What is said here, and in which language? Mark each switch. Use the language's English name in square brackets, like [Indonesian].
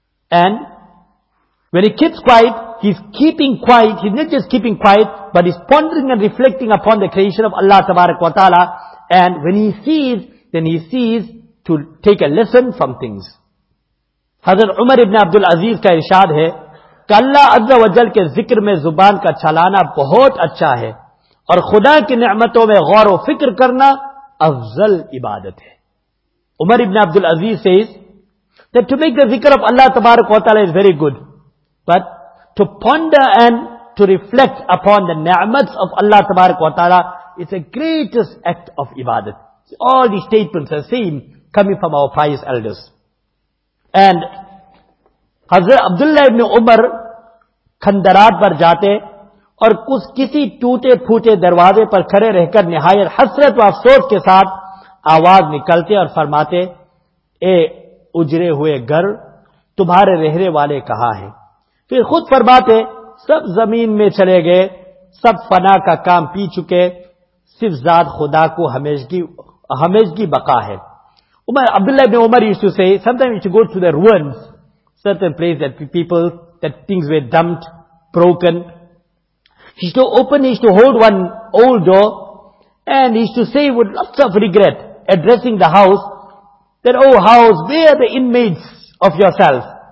[English] And when he keeps quiet, he's keeping quiet, he's not just keeping quiet, but he's pondering and reflecting upon the creation of Allah tabarak wa ta'ala. And when he sees, then he sees to take a lesson from things. [Urdu] حضرت عمر ابن عبدالعزیز کا ارشاد ہے کہ اللہ عز و جل کے ذکر میں زبان کا چلانا بہت اچھا ہے اور خدا کی نعمتوں میں غور و فکر کرنا افضل عبادت ہے. [English] Umar ibn Abdul Aziz says that to make the zikr of Allah tabarak wa taala is very good, but to ponder and to reflect upon the ni'mats of Allah tabarak wa taala is the greatest act of ibadat. All these statements are same coming from our pious elders. [Urdu] And حضرت عبداللہ ابن عمر خندرات پر جاتے اور کسی ٹوٹے پھوٹے دروازے پر کھڑے رہ کر نہایت حسرت و افسوس کے ساتھ آواز نکلتے اور فرماتے, اے اجرے ہوئے گھر, تمہارے رہنے والے کہاں ہیں؟ پھر خود فرماتے, سب زمین میں چلے گئے, سب فنا کا کام پی چکے, صرف ذات خدا کو ہمیشگی بقا ہے. [English] Abdullah ibn Umar used to say, sometimes you should go to the ruins, certain place that people, that things were dumped, broken. He used to open, he used to hold one old door, and he used to say with lots of regret, addressing the house, that, oh house, where are the inmates of yourself?